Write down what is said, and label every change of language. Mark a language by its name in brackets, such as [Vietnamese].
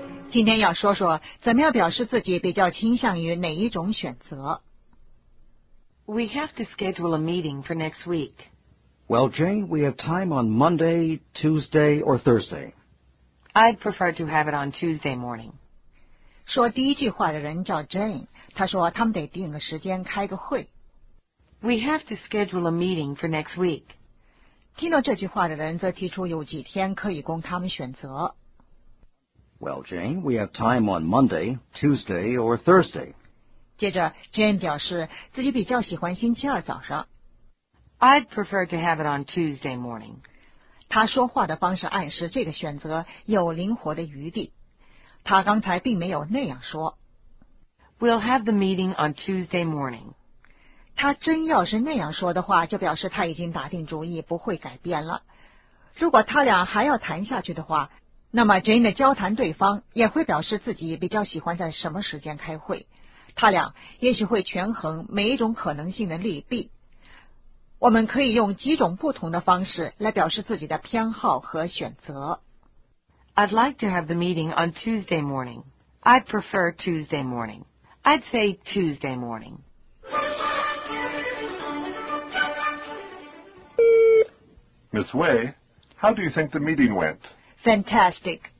[Chinese] 今天要说说怎么样表示自己比较倾向于哪一种选择。 [English] We have to schedule a meeting for next week. Well, Jane, we have time on Monday, Tuesday, or Thursday. I'd prefer to have it on Tuesday morning. [Chinese] 说第一句话的人叫 Jane, 他说他们得定个时间开个会。 [English] We have to schedule a meeting for next week. [Chinese] 听到这句话的人则提出有几天可以供他们选择。 [English] Well, Jane, we have time on Monday, Tuesday, or Thursday. [Chinese] 接着 ,Jane 表示自己比较喜欢星期二早上。 [English] I'd prefer to have it on Tuesday morning. [Chinese] 他说话的方式暗示这个选择有灵活的余地。他刚才并没有那样说。 [English] We'll have the meeting on Tuesday morning. [Chinese] 他真要是那样说的话，就表示他已经打定主意不会改变了。如果他俩还要谈下去的话，那么 Jane 的交谈对方也会表示自己比较喜欢在什么时间开会，他俩也许会权衡每一种可能性的利弊。我们可以用几种不同的方式来表示自己的偏好和选择。 [English] I'd like to have the meeting on Tuesday morning. I'd prefer Tuesday morning. I'd say Tuesday morning. Miss Wei, how do you think the meeting went? Fantastic.